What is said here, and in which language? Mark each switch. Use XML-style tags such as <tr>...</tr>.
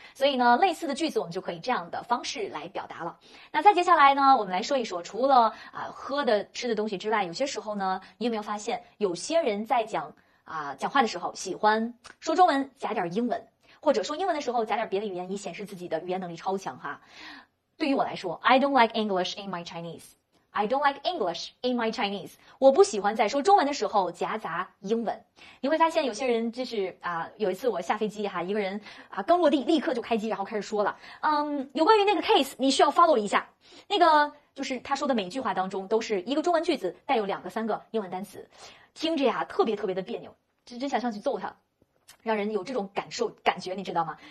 <zh>所以呢，类似的句子我们就可以这样的方式来表达了。那再接下来呢，我们来说一说，除了喝的、吃的东西之外，有些时候呢，你有没有发现，有些人在讲话的时候，喜欢说中文夹点英文，或者说英文的时候夹点别的语言，以显示自己的语言能力超强哈。对于我来说，</zh> <en>I don't like English in my Chinese。 I don't like English in my Chinese。</en> <zh>我不喜欢在说中文的时候夹杂英文。你会发现有些人就是有一次我下飞机哈，一个人刚落地立刻就开机，然后开始说了，有关于那个 case，你需要 follow 一下。那个就是他说的每句话当中都是一个中文句子，带有2个3个英文单词，听着呀特别特别的别扭，真想上去揍他，让人有这种感受感觉，你知道吗？</zh>